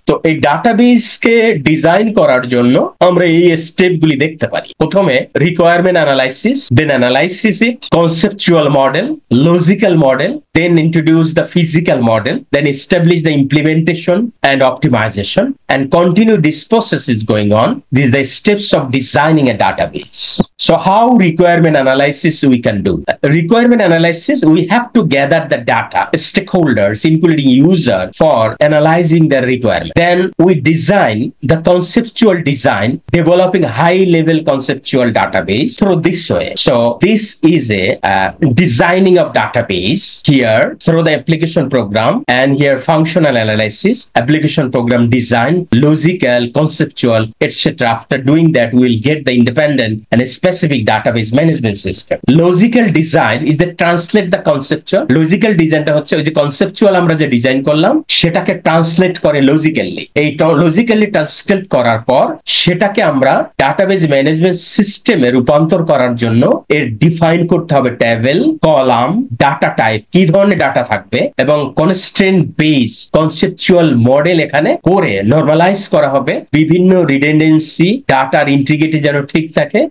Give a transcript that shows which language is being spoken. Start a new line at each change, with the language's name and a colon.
Bangla: তো এই ডাটাবেসকে ডিজাইন করার জন্য আমরা এই স্টেপগুলি দেখতে পারি,
English: প্রথমে requirement analysis, then analysis it, conceptual model, logical model, then introduce the physical model, then establish the implementation and optimization and continue this process is going on, this the steps of designing a database. So how requirement analysis we can do? Requirement analysis, we have to gather the data, stakeholders, including user, for analyzing the requirement. Then we design the conceptual design, developing high-level conceptual database through this way. So this is a designing of database here through the application program, and here functional analysis, application program design, logical, conceptual, etc. After doing that, we'll get the independent and specific database management system. Logical design design is the translate the conceptual.
Bangla: Logical ডিজাইনটা হচ্ছে ওই যে conceptual আমরা যে design করলাম সেটাকে translate করে logically. এই লজিক্যালি ট্রান্সলেট করার পর সেটাকে আমরা ডাটাবেজ ম্যানেজমেন্ট সিস্টেমে রূপান্তর করার জন্য এর ডিফাইন করতে হবে টেবিল, কলাম, ডাটা টাইপ, কি ধরনের ডাটা থাকবে, এবং কনস্ট্রেন্ট বেস কনসেপচুয়াল মডেল এখানে করে নর্মালাইজ করা হবে বিভিন্ন রিডেন্ডেন্সি, ডাটার ইন্টিগ্রিটি যেন ঠিক থাকে।